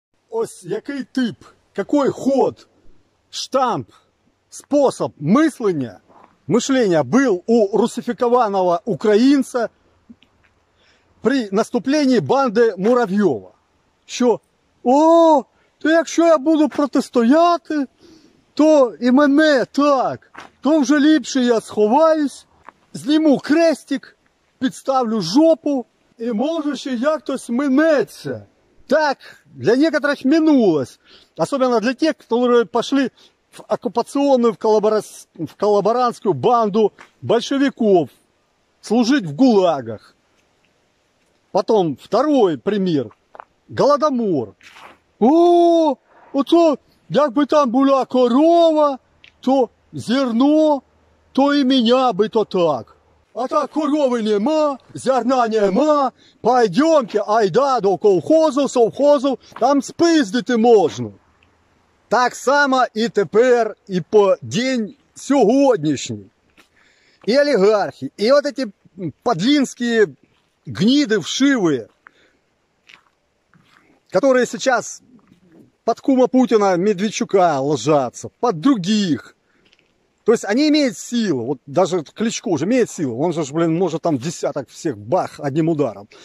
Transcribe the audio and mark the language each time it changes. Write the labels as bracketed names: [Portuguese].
[Ukrainian] ось, який тип, який ход, штамп, спосіб мислення, мислення був у русифікованого українця при наступленні банди Муравйова. Що, о, то якщо я буду протистояти, то і мене так, то вже ліпше я сховаюсь, зніму хрестик, підставлю жопу і може ще як-тось минеться. [Russian] Так, для некоторых минулось. Особенно для тех, которые пошли в оккупационную, в коллаборантскую банду большевиков. Служить в ГУЛАГах. Потом второй пример. Голодомор. О, то, как бы там была корова, то зерно, то и меня бы то так. [Ukrainian] А так корови нема, зерна нема, [Russian] пойдемте, [Ukrainian] айда до колхозу, совхозу, там спиздити можно. Так само и теперь, и по день сьогоднішній. [Russian] И олигархи, и вот эти подлинские гниды вшивые, которые сейчас под кума Путина Медведчука ложатся, под других. То есть они имеют силу, вот даже Кличко уже имеет силу, он же, блин, может там десяток всех бах одним ударом.